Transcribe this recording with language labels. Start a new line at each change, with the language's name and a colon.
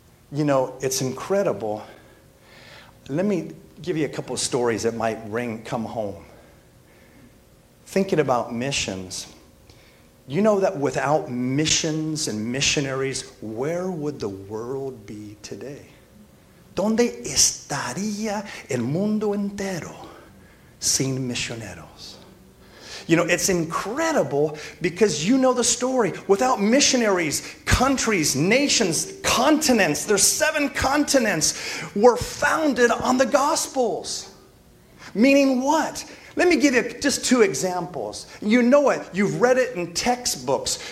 English: You know, it's incredible. Let me give you a couple of stories that might come home. thinking about missions, you know that without missions and missionaries, where would the world be today?
Spanish: ¿Dónde estaría el mundo entero sin misioneros?
English: You know, it's incredible because you know the story. Without missionaries, countries, nations, continents, there's seven continents, were founded on the Gospels. Meaning what? Let me give you just two examples. You know it. You've read it in textbooks.